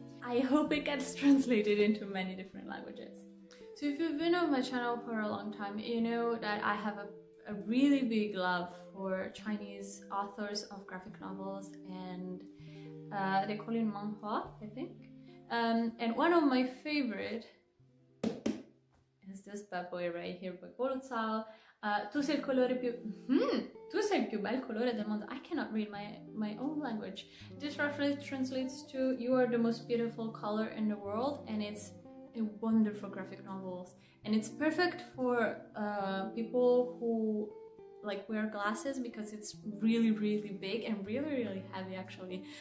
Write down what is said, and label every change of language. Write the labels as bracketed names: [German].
[English] I hope it gets translated into many different languages. So if you've been on my channel for a long time, you know that I have a really big love for Chinese authors of graphic novels, and they call it manhua, I think. And one of my favorite is this bad boy right here by Bolzao. [Italian] Tu sei il più bel colore del mondo. [English] I cannot read my own language. This roughly translates to "You are the most beautiful color in the world," and it's a wonderful graphic novel. And it's perfect for people who wear glasses, because it's really, really big and really, really heavy, actually.